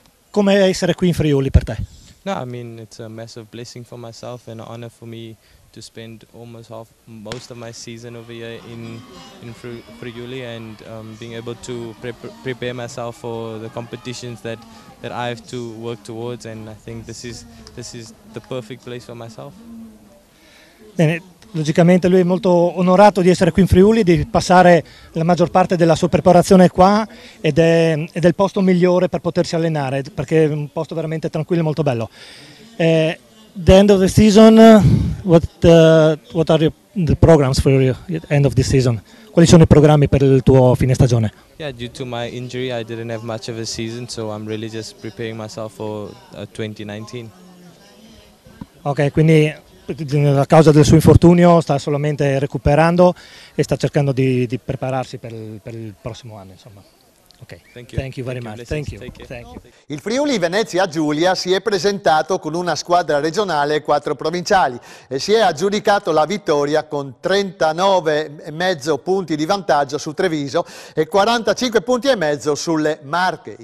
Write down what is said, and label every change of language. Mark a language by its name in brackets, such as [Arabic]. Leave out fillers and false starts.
[Italian] Come essere qui in Friuli per te? [English] No, I mean it's a massive blessing for myself and an honor for me to spend almost most of my season over here in Friuli and being able to prepare myself for the competitions that I have to work towards, and I think this is the perfect place for myself. [Italian] Bene, logicamente lui è molto onorato di essere qui in Friuli, di passare la maggior parte della sua preparazione qua, ed è il posto migliore per potersi allenare, perché è un posto veramente tranquillo e molto bello. [English] The end of the season, what are the programs for you at end of the season? [Italian] Quali sono i programmi per il tuo fine stagione? [English] Yeah, due to my injury I didn't have much of a season, so I'm really just preparing myself for 2019. [Italian] Ok, quindi a causa del suo infortunio sta solamente recuperando e sta cercando di prepararsi per il prossimo anno, insomma. Ok, [English] thank you very much. [Italian] Il Friuli Venezia Giulia si è presentato con una squadra regionale e quattro provinciali e si è aggiudicato la vittoria con 39,5 punti di vantaggio su Treviso e 45 punti e mezzo sulle Marche.